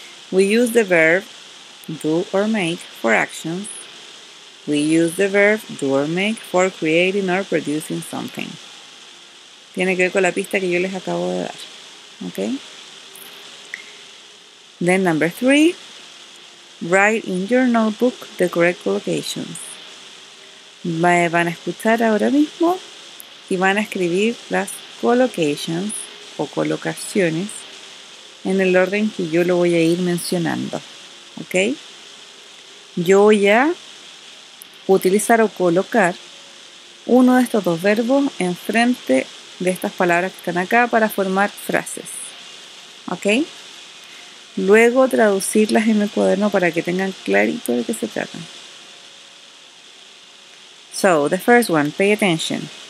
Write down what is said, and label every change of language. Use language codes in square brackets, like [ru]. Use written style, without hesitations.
[en] We use the verb do or make for actions. We use the verb do or make for creating or producing something. [es] Tiene que ver con la pista que yo les acabo de dar. [en] Okay. Then number 3, write in your notebook the correct collocations. [es] van a escuchar ahora mismo y van a escribir las collocations o colocaciones en el orden que yo lo voy a ir mencionando, ¿ok? Yo voy a utilizar o colocar uno de estos dos verbos enfrente de estas palabras que están acá para formar frases, ¿ok? Luego traducirlas en el cuaderno para que tengan clarito de qué se trata. [en] So, the first one, pay attention.